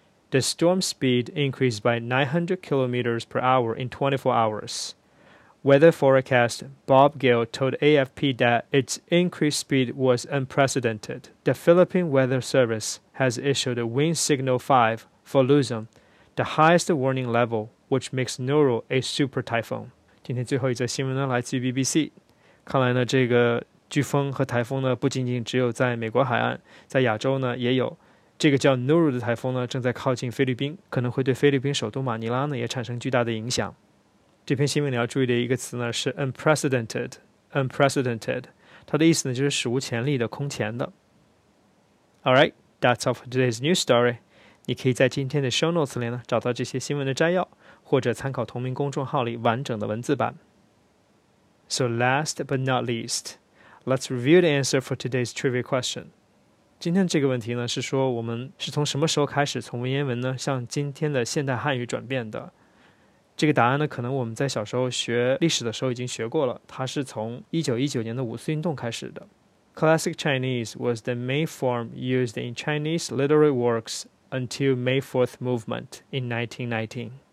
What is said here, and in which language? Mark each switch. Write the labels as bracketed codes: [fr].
[en] The storm speed increased by 900 kilometers per hour in 24 hours. Weather forecast Bob Gill told AFP that its increased speed was unprecedented. The Philippine Weather Service has issued a wind signal 5 for Luzon, the highest warning level, which makes Nuru a super typhoon. [zh] 今天最后一则新闻呢来自于 BBC。看来呢这个飓风和台风呢不仅仅只有在美国海岸，在亚洲呢也有。这个叫 Nuru 的台风呢正在靠近菲律宾，可能会对菲律宾首都马尼拉呢也产生巨大的影响。这篇新闻你要注意的一个词呢是 unprecedented， 它的意思呢就是史无前例的、空前的。 [en] Alright, that's all for today's news story. [zh] 你可以在今天的 show notes 里呢找到这些新闻的摘要，或者参考同名公众号里完整的文字版。 [en] So last but not least, let's review the answer for today's trivia question. [zh] 今天这个问题呢是说我们是从什么时候开始从文言文呢向今天的现代汉语转变的。这个答案呢可能我们在小时候学历史的时候已经学过了，它是从1919年的五四运动开始的。 [en] Classic Chinese was the main form used in Chinese literary works until May 4th movement in 1919.